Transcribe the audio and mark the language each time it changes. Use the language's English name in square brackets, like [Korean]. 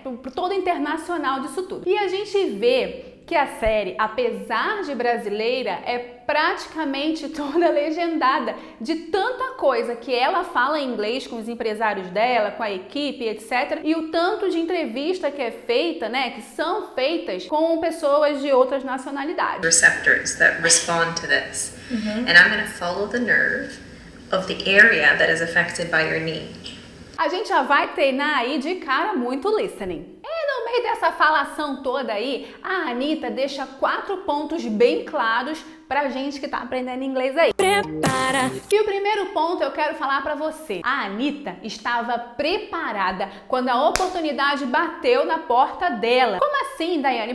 [Portuguese] Pro todo internacional disso tudo. E a gente vê que a série, apesar de brasileira, é praticamente toda legendada. De tanta coisa que ela fala em inglês com os empresários dela, com a equipe, etc. E o tanto de entrevista que é feita, né? Que são feitas com pessoas de outras nacionalidades. [English] Receptors that respond to this. Uhum. And I'm gonna follow the nerve of the area that is affected by your knee. [Portuguese] A gente já vai treinar aí de cara muito listening. E no meio dessa falação toda aí, a Anitta deixa quatro pontos bem claros pra gente que tá aprendendo inglês aí. Prepara! E o primeiro ponto eu quero falar pra você. A Anitta estava preparada quando a oportunidade bateu na porta dela. Como assim, Daiane?